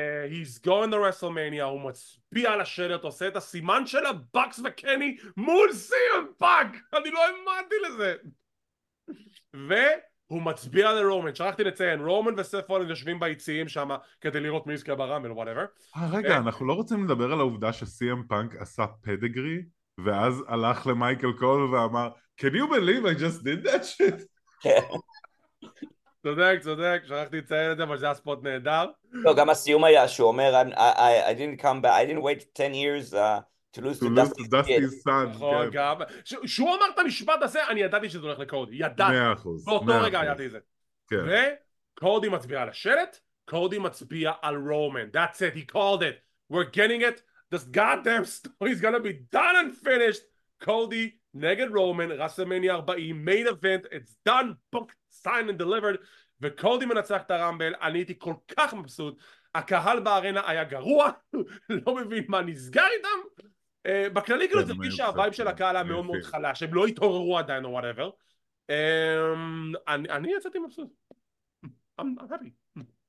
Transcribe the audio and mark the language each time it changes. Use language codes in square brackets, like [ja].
[en] he's going to WrestleMania, [he] הוא מצביע על השלט, עושה את הסימן של הבקס וקני מול סיאם פאנק! אני לא האמנתי לזה! והוא מצביע לרומן, שכחתי לציין, רומן וסף רולינס יושבים ביציעים שם כדי לראות מי יזכה ברמבל, whatever. רגע, אנחנו לא רוצים לדבר על העובדה שסיאם פאנק עשה פדגרי? ואז הלך למייקל קול ואמר, [en] can you believe I just did that shit? [he] צודק, צודק, שרחתי לציין את זה, אבל זה היה ספוט נהדר. לא, גם הסיום היה שהוא אומר, [en] I didn't come back, I didn't wait 10 years to lose to Dusty's son. [he] נכון, גם. שהוא אמר את המשפט הזה, אני ידעתי שזה הולך לקודי, ידעתי. 100%. באותו רגע ידעתי זה. וקודי מצביע על השלט, קודי מצביע על רומן. [en] That's it, he called it. We're getting it. This goddamn story is going to be done and finished. [he] Cody נגד רומן, רסלמניה 40, main event, [en] it's done, booked, signed and delivered, [he] וקודי מנצח את הרמבל, אני הייתי כל כך מבסוט, הקהל בארנה היה גרוע, לא מבין מה נסגר איתם, בכללי כאילו זה מרגיש שהווייב של הקהל היה מאוד מאוד חלש, הם לא התעוררו עדיין או whatever, אני יצאתי מבסוט, [en] I'm happy.